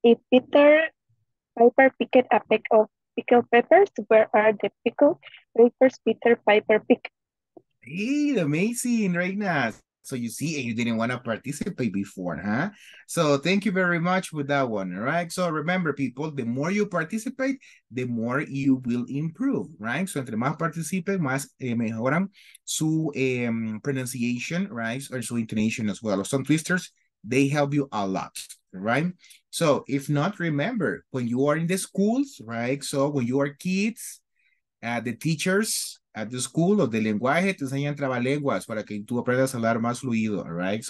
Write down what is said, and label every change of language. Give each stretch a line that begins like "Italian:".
English: If Peter Piper picked a peck of pickle papers, where are the pickle papers Peter Piper picked? Hey, amazing, Reina. So you see, and you didn't want to participate before, huh? So thank you very much for that one, all right? So remember, people, the more you participate, the more you will improve, right?
Spanish: So entre más participen, más mejoran su
English: pronunciation, right? Or su intonation as well. Some twisters, they help you a lot, right? So if not, remember, when you are in the schools, right? So when you are kids, the teachers at the school of the
Spanish: lenguaje te enseñan trabalenguas para que tú aprendas a hablar más fluido,
English: right?